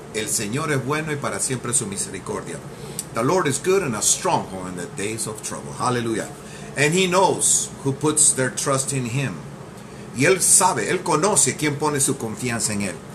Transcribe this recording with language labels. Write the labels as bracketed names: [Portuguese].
[Spanish] El Señor es bueno y para siempre su misericordia. [English] The Lord is good and a stronghold in the days of trouble. Hallelujah. And he knows who puts their trust in him. [Spanish] Y él sabe, él conoce quién pone su confianza en él.